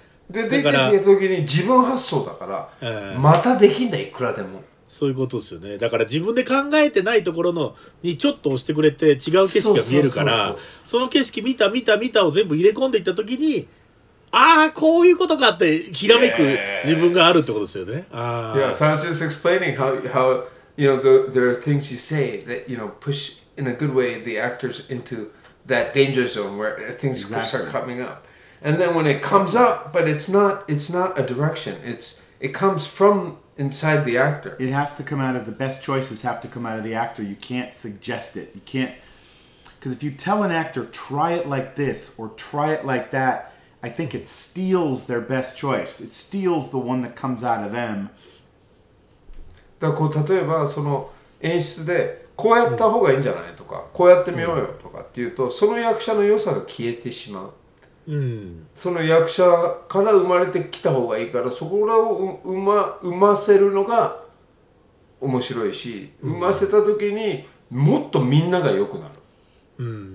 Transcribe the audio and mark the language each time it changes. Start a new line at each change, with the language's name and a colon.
Japanese: で出てきた時に自分発想だからまたできんだいくらでも。そういうことですよね。だから自分で考えてないところのにちょっと押してくれて違う景色が見えるから、 その景色見たを全部入れ込んでいった時に、ああこういうことかってきらめく自分があるってことですよね。
English: Yes. Yeah, so I was just explaining how you know there are things you say that you know push in a good way the actors into that danger zone where things start coming up, and then when it comes up, but it's not a direction. It comes from inside the actor. It has to come out of the best choices have to come out of the actor. You can't suggest it. You can't, because if you tell an actor try it like this or try it like that. I think it steals their best choice. It steals the one that comes out of them.
Japanese: だからこう例えばその演出でこうやった方がいいんじゃないとか、こうやってみようよとかっていうと、その役者の良さが消えてしまう。その役者から生まれてきた方がいいから、そこらを生ませるのが面白いし、生ませた時にもっとみんなが良くなる。